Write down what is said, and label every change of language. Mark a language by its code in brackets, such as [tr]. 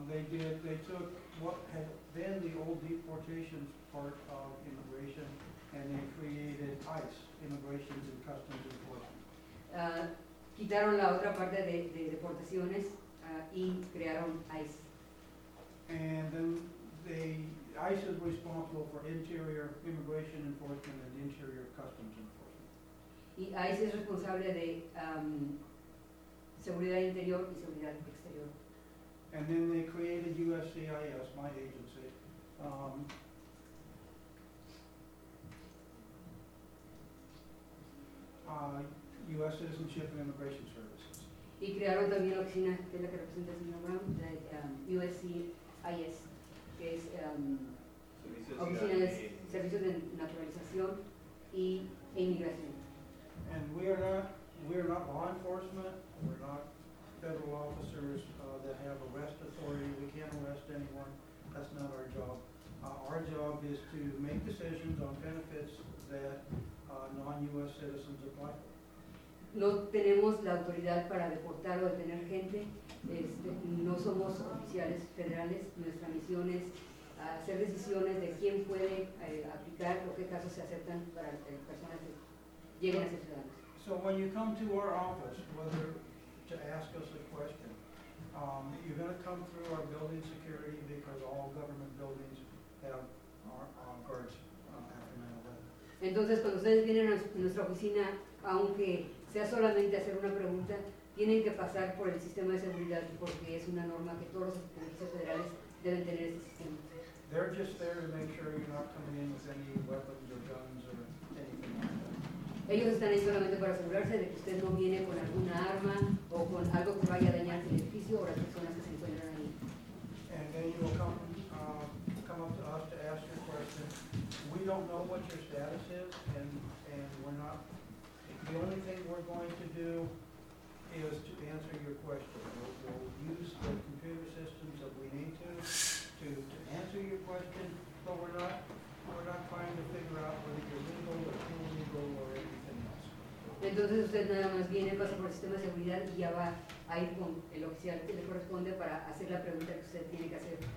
[en] They took what had been the old deportations part of immigration and they created ICE, Immigration and Customs Enforcement. [es] Quitaron la otra parte de deportaciones y crearon ICE. [en] And then ICE is responsible for interior immigration enforcement and interior customs enforcement. [es] Y ICE es responsable de seguridad interior y seguridad exterior. [en] And then they created USCIS, my agency. U.S. Citizenship and Immigration Services. [es] Y crearon también la oficina que es la que representa el señor Brown, de USCIS, que es oficina de servicios de naturalización y inmigración. [en] And we are not law enforcement. We're not federal officers that have arrest authority. We can't arrest anyone. That's not our job. Our job is to make decisions on benefits that non-U.S. citizens apply for. [es] No tenemos la autoridad para deportar o detener gente. No somos oficiales federales. Nuestra misión es hacer decisiones de quién puede aplicar o qué casos se aceptan para personas que lleguen a ser ciudadanos. [en] So when you come to our office, whether to ask us a question. You're going to come through our building security because all government buildings have our guards after 9/11. [es] Entonces, cuando ustedes vienen a nuestra oficina, aunque sea solamente hacer una pregunta, tienen que pasar por el sistema de seguridad porque es una norma que todos los edificios federales deben tener ese sistema. [en] They're just there to make sure you're not coming in with any weapons or guns or anything like that. [es] Ellos están ahí solamente para asegurarse de que usted no viene con alguna arma o con algo que vaya a dañar el edificio o las personas que se encuentran ahí. [en] And then you will come up to us to ask your question. We don't know what your status is and we're not. The only thing we're going to do is to answer your question. We'll use the computer systems that we need to answer your question, but we're not trying to figure out whether you're legal or illegal or anything. [es] Entonces usted nada más viene, pasa por el sistema de seguridad y ya va a ir con el oficial que le corresponde para hacer la pregunta que usted tiene que hacer.